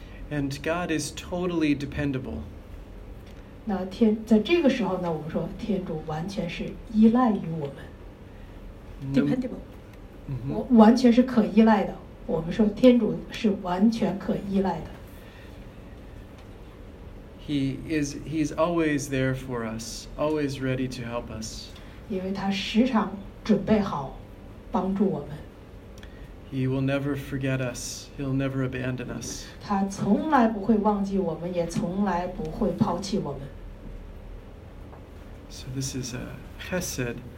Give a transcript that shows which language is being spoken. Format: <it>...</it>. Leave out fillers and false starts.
<en>And God is totally dependable.</en> <zh>那天在这个时候呢，我们说天主完全是依赖于我们</zh> <en>，dependable，</en> <zh>完全是可依赖的。我们说天主是完全可依赖的。</zh> <en>He's always there for us, always ready to help us.</en> <zh>因为他时常准备好帮助我们。</zh> <en>He will never forget us. He'll never abandon us.</en> <zh>他从来不会忘记我们，也从来不会抛弃我们。</zh> <en>So this is a chesed.</en>